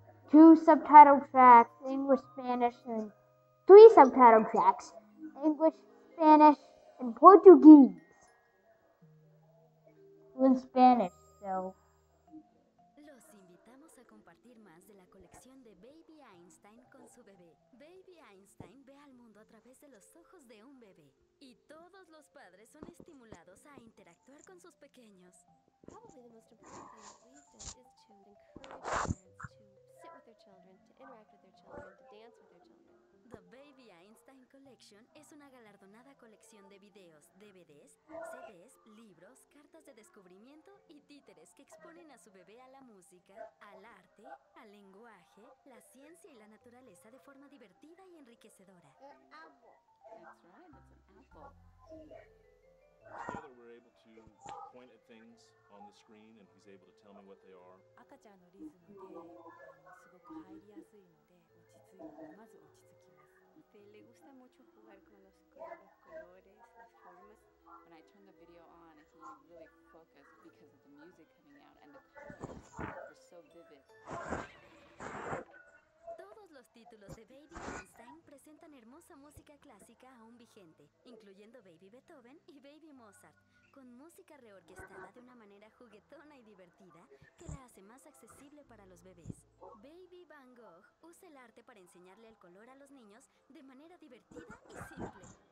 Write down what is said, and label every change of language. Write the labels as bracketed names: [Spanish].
[English] Two subtitle tracks, English, Spanish, and three subtitle tracks, English, Spanish, and Portuguese. Two in Spanish, so. [Spanish] Los invitamos a compartir más de la colección de Baby Einstein con su bebé. Baby Einstein ve al mundo a través de los ojos de un bebé. Y todos los padres son estimulados a interactuar con sus pequeños. [English] Probably the most important thing that we've done is to encourage parents to sit with their children, to interact with their children, to dance with their children. [Spanish] The Baby Einstein Collection es una galardonada colección de videos, DVDs, CDs, libros, cartas de descubrimiento y títeres que exponen a su bebé a la música, al arte, al lenguaje, la ciencia y la naturaleza de forma divertida y enriquecedora. [English] That's right, it's an apple. Together we're able to point at things on the screen and he's able to tell me what they are. [Japanese] 赤ちゃんのリズムですごく入りやすいので落ち着いてまず落ち着きます。 [Spanish] Le gusta mucho jugar con los colores, las formas. [English] When I turn the video on, he's really focused because of the music coming out and the colors are so vivid. [Spanish] Títulos de Baby Einstein presentan hermosa música clásica aún vigente, incluyendo Baby Beethoven y Baby Mozart, con música reorquestada de una manera juguetona y divertida que la hace más accesible para los bebés. Baby Van Gogh usa el arte para enseñarle el color a los niños de manera divertida y simple.